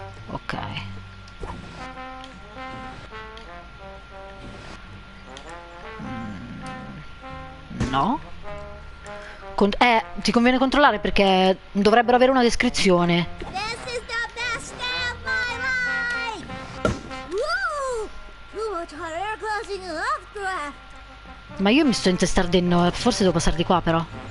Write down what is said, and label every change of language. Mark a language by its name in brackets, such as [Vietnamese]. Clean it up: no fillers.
[Italian] Ok. No. Ti conviene controllare perché dovrebbero avere una descrizione. [English] This is the best day of my life! Woo! Too much hot air closing in love breath! [Italian] Ma io mi sto intestardendo, forse devo passare di qua però.